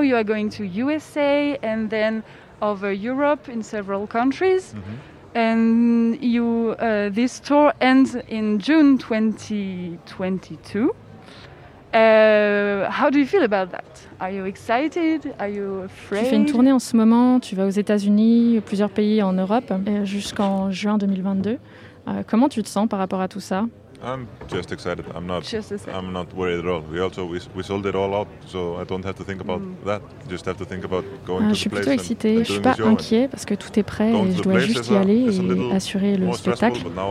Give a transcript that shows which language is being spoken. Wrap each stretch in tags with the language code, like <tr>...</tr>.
<en>You are going to USA and then over Europe in several countries. Mm-hmm. And you, this tour ends in June 2022. How do you feel about that? Are you excited? Are you afraid?</en> <fr>Tu fais une tournée en ce moment. Tu vas aux États-Unis, plusieurs pays en Europe, jusqu'en juin 2022. Comment tu te sens par rapport à tout ça?</fr> <en>I'm just excited. I'm not worried at all. We sold it all out, so I don't have to think about that. I just have to think about going to the place.</en> <fr>Je suis plutôt excité. Je suis pas inquiet parce que tout est prêt et je dois juste y aller et assurer le spectacle.</fr>